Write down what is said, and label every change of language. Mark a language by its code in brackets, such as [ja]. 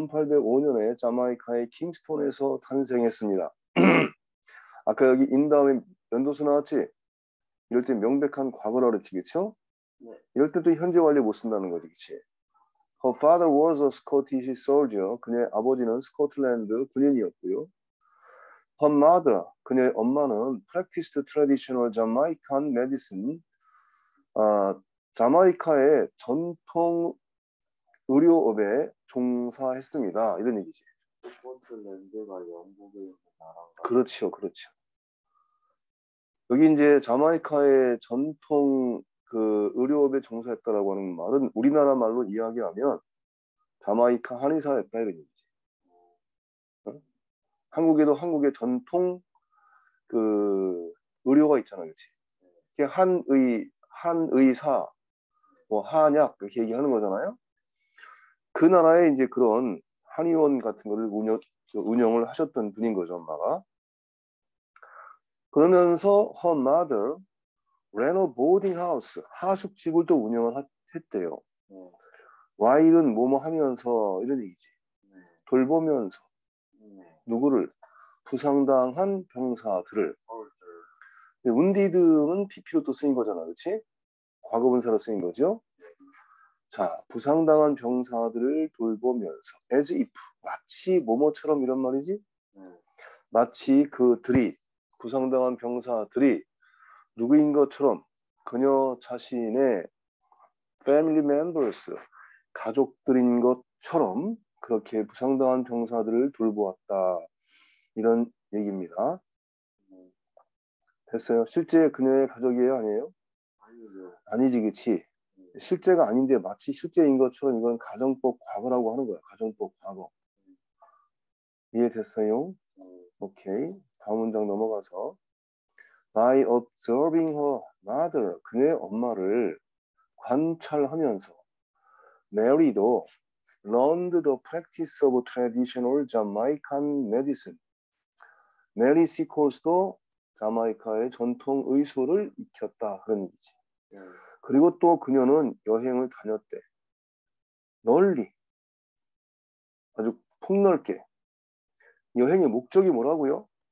[ko] 1805년에 자메이카의 킹스톤에서 탄생했습니다. 아까 여기 인 다음에 연도수 나왔지? 이럴 때 명백한 과거라 그랬지, 그쵸? 이럴 때도 현재 완료 못 쓴다는 거지, 그치? [en] Her father was a Scottish soldier. [ko] 그녀의 아버지는 스코틀랜드 군인이었고요. [en] Her mother, [ko] 그녀의 엄마는 [en] practiced traditional Jamaican medicine. [ko] 아, 자메이카의 전통 의료업에 종사했습니다. 이런 얘기지. 스코틀랜드가 영국의 나라인가요? 그렇죠, 그렇죠. 여기 이제 자메이카의 전통 그 의료업에 종사했다라고 하는 말은 우리나라 말로 이야기하면 자메이카 한의사였다 이런 얘기지. 한국에도 한국의 전통 그 의료가 있잖아요, 그렇지? 그게 한의사, 뭐 한약 이렇게 얘기하는 거잖아요. 그 나라에 이제 그런 한의원 같은 거를 운영을 하셨던 분인 거죠, 엄마가. 그러면서 [en] her mother ran a boarding house, [ko] 하숙집을 또 운영을 했대요. while은 뭐뭐 하면서 이런 얘기지. 돌보면서 누구를? 부상당한 병사들을. 근데 wounded는 BP로 또 쓰인 거잖아, 그렇지? 과거분사로 쓰인 거죠. 자, 부상당한 병사들을 돌보면서 as if 마치 뭐뭐처럼 이런 말이지. 마치 그들이 부상당한 병사들이 누구인 것처럼 그녀 자신의 family members, 가족들인 것처럼 그렇게 부상당한 병사들을 돌보았다. 이런 얘기입니다. 됐어요. 실제 그녀의 가족이에요, 아니에요? 아니지, 그치? 실제가 아닌데 마치 실제인 것처럼 이건 가정법 과거라고 하는 거야. 가정법 과거. 이해됐어요? 오케이. 다음 문장 넘어가서 [en] By observing her mother, [ko] 그녀의 엄마를 관찰하면서 [en] Mary도 learned the practice of traditional Jamaican medicine. [ko] Mary Seacole도 자메이카의 전통 의술을 익혔다. 그런 얘기지. 그리고 또 그녀는 여행을 다녔대. 널리 아주 폭넓게 여행의 목적이 뭐라고요?